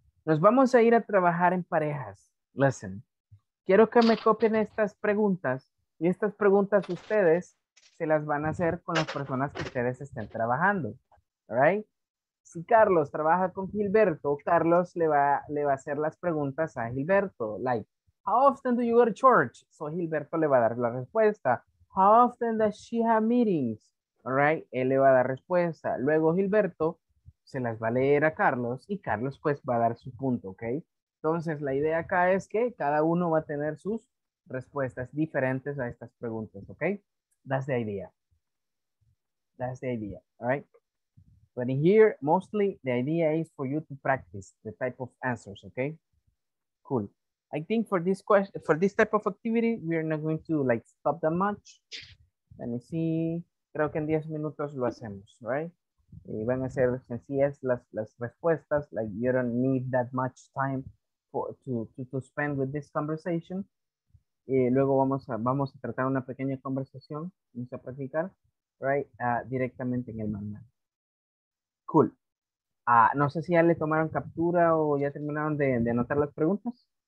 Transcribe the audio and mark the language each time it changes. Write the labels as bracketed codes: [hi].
[es] Nos vamos a ir a trabajar en parejas. Listen, quiero que me copien estas preguntas y estas preguntas ustedes se las van a hacer con las personas que ustedes estén trabajando. [en] All right? [es] Si Carlos trabaja con Gilberto, Carlos le va a hacer las preguntas a Gilberto. [en] Like, how often do you go to church? So [es] Gilberto le va a dar la respuesta. [en] How often does she have meetings? All right? [es] Él le va a dar respuesta. Luego Gilberto se las va a leer a Carlos y Carlos pues va a dar su punto, ¿ok? Entonces la idea acá es que cada uno va a tener sus respuestas diferentes a estas preguntas, ¿ok? [en] That's the idea. That's the idea, all right? But in here, mostly the idea is for you to practice the type of answers, okay? Cool. I think for this question, for this type of activity, we are not going to like stop that much. Let me see. [es] Creo que en 10 minutos lo hacemos, right? Y van a ser sencillas las respuestas. [en] Like you don't need that much time to spend with this conversation. [es] Y luego vamos a tratar una pequeña conversación. Vamos a practicar, right? Directamente en el manual. Cool. No sé si ya le tomaron captura o ya terminaron de anotar las preguntas.